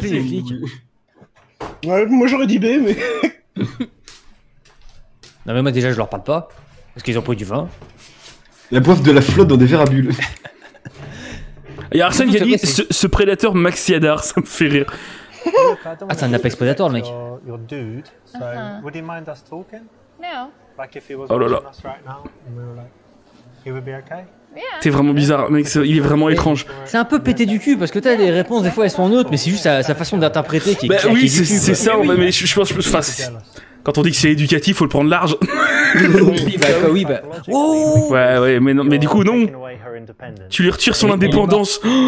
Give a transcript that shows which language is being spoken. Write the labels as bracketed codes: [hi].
[fr] choix. Ouais, moi j'aurais dit B, mais. Non, mais moi déjà, je leur parle pas. Parce qu'ils ont pris du vin. La boive de la flotte dans des verres à bulles. Il y a Arsène qui a dit ce prédateur Maxi Adar, ça me fait rire. Ah, c'est un Apex Predator, mec. [en] Your dude, so would he mind us talking? No. Like if he was watching us right now, and we were like, he would be okay. Yeah. [fr] T'es vraiment bizarre, mec. Il est vraiment étrange. C'est un peu pété du cul parce que t'as des réponses des fois, elles sont neutres, mais c'est juste sa façon d'interpréter qui est. Bah oui, c'est du cul, ça. Mais je pense, enfin, quand on dit que c'est éducatif, faut le prendre large. Bah, oh. Ouais, mais non, mais du coup, non. Tu lui retires son indépendance.